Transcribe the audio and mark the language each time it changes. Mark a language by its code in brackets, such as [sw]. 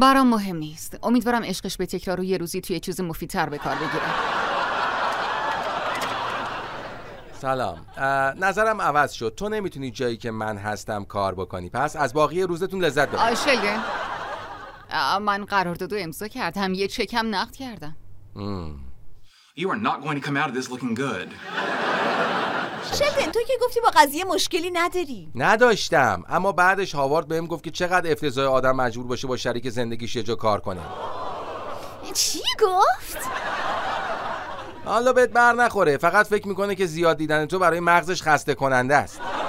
[fa] برام مهم نیست، امیدوارم عشقش به تکرار رو یه روزی توی چیز مفیدتر به کار بگیره. سلام. نظرم عوض شد. تو نمیتونی جایی که من هستم کار بکنی. پس از باقی روزتون لذت ببر. شلدن، من قراردادو امضا کردم. یه چکم نقد کردم. [en] You are not going to come out of this looking good. [fa] شلدن، تو که گفتی با قضیه مشکلی نداری. نداشتم، اما بعدش هاوارد بهم گفت که چقدر افتضاح آدم مجبور باشه با شریک زندگیش یه جا کار کنه. چی گفت؟ حالا بهت بر نخوره، فقط فکر میکنه که زیاد دیدن تو برای مغزش خسته کننده است.